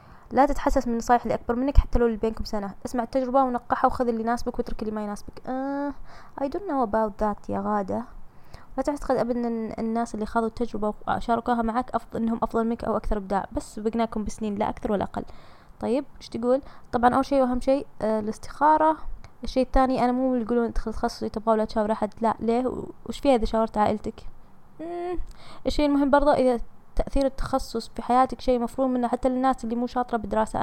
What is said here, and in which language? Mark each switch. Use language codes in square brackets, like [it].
[ar] لا تتحسس من نصايح اللي اكبر منك حتى لو اللي بينكم سنة، اسمع التجربة ونقحها وخذ اللي يناسبك واترك اللي ما يناسبك. [en] I don't know about that يا غادة. [ar] لا تعتقد أبدا أن الناس اللي خاضوا التجربة وشاركوها معك أنهم أفضل منك أو أكثر إبداع، بس بقناكم بسنين لا أكثر ولا أقل. طيب إيش تقول؟ طبعا أول شيء وأهم شيء الاستخارة. الشيء الثاني، أنا مو يقولون تدخل تخصصي تبغى ولا تشاور أحد، لا ليه؟ وش فيها إذا شاورت عائلتك؟ الشيء المهم برضه، إذا تأثير التخصص في حياتك شيء مفروض منه حتى للناس اللي مو شاطرة بدراسة.